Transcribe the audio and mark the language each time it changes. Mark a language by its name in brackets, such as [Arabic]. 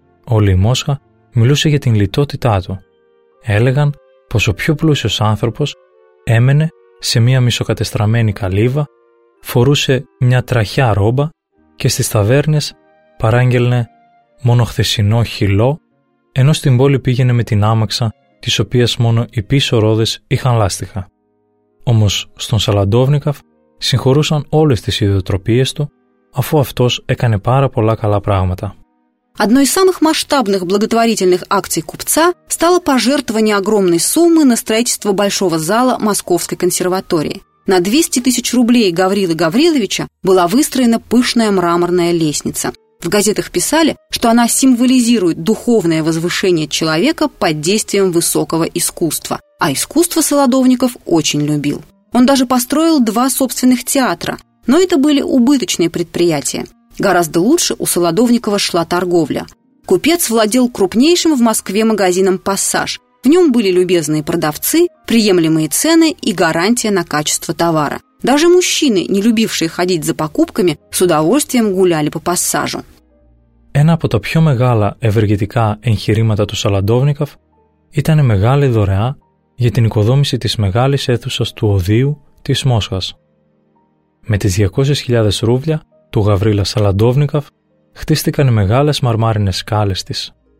[Greek] Όλη η Μόσχα μιλούσε για την λιτότητά του. Έλεγαν πως ο πιο πλούσιος άνθρωπος έμενε σε μια μισοκατεστραμμένη καλύβα, φορούσε μια τραχιά ρόμπα και στις ταβέρνες παράγγελνε μόνο χθεσινό χυλό, ενώ στην πόλη πήγαινε με την άμαξα, της οποίας μόνο οι πίσω ρόδες είχαν λάστιχα. Όμως στον Σαλαντόβνικοφ συγχωρούσαν όλες τις ιδιοτροπίες του, αφού αυτός έκανε πάρα πολλά καλά πράγματα. [Russian] Одно из самых масштабных благотворительных акций купца стало пожертвование огромной суммы на строительство большого зала Московской консерватории. На 200 тысяч рублей Гаврилы Гавриловича была выстроена пышная мраморная лестница. В газетах писали, что она символизирует духовное возвышение человека под действием высокого искусства. А искусство Солодовников очень любил. Он даже построил два собственных театра, но это были убыточные предприятия. Гораздо лучше у Солодовникова шла торговля. Купец владел крупнейшим в Москве магазином «Пассаж». В нем были любезные продавцы, приемлемые цены и гарантия на качество товара. Даже мужчины, не любившие ходить за покупками, с удовольствием гуляли по «Пассажу». [Greek] Ένα από τα πιο μεγάλα ευεργετικά εγχειρήματα του Σαλαντόβνικοφ ήταν μεγάλη δωρεά για την οικοδόμηση της μεγάλης αίθουσας του Οδείου της Μόσχας. Με τις 200.000 ρούβλια του Γαβρίλα Σαλαντόβνικοφ χτίστηκαν οι μεγάλες μαρμάρινες σκάλες της.